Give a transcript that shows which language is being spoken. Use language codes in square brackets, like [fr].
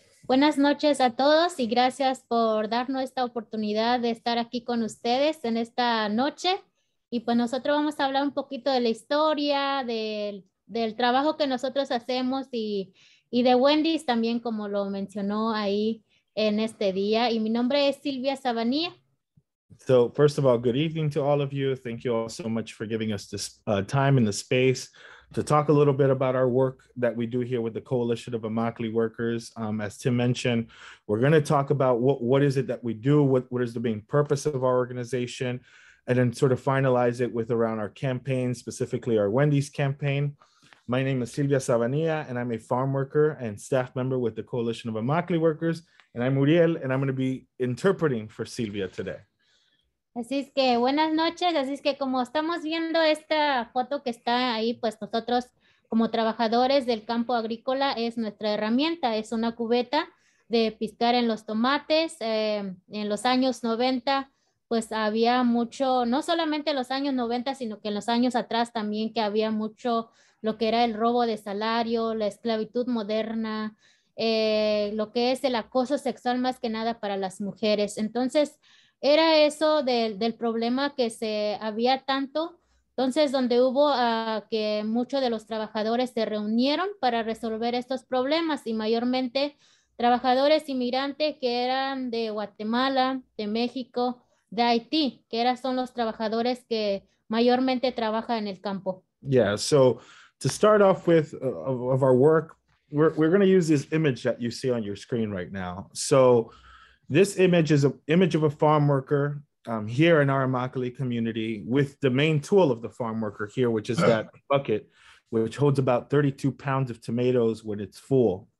[es] Buenas noches a todos y gracias por darnos esta oportunidad de estar aquí con ustedes en esta noche. Y pues nosotros vamos a hablar un poquito de la historia, del trabajo que nosotros hacemos y de Wendy's también, como lo mencionó ahí en este día. Y mi nombre es Silvia Sabanilla. [en] So first of all, good evening to all of you. Thank you all so much for giving us this time and the space to talk a little bit about our work that we do here with the Coalition of Immokalee Workers. As Tim mentioned, we're going to talk about what is it that we do, what is the main purpose of our organization, and then sort of finalize it with around our campaign, specifically our Wendy's campaign. My name is Silvia Sabanilla, and I'm a farm worker and staff member with the Coalition of Immokalee Workers, and I'm Uriel, and I'm going to be interpreting for Silvia today. [es] Así es que buenas noches, así es que como estamos viendo esta foto que está ahí, pues nosotros como trabajadores del campo agrícola es nuestra herramienta, es una cubeta de piscar en los tomates. En los años 90, pues había mucho, no solamente los años 90, sino que en los años atrás también que había mucho lo que era el robo de salario, la esclavitud moderna, lo que es el acoso sexual más que nada para las mujeres. Entonces, era eso del problema que se había tanto, entonces donde hubo que muchos de los trabajadores se reunieron para resolver estos problemas y mayormente trabajadores inmigrantes que eran de Guatemala, de México, de Haití, que eran son los trabajadores que mayormente trabajan en el campo. [en] Yeah, so to start off with of our work, we're going to use this image that you see on your screen right now. So this image is an image of a farm worker here in our Immokalee community with the main tool of the farm worker here, which is that bucket, which holds about 32 pounds of tomatoes when it's full.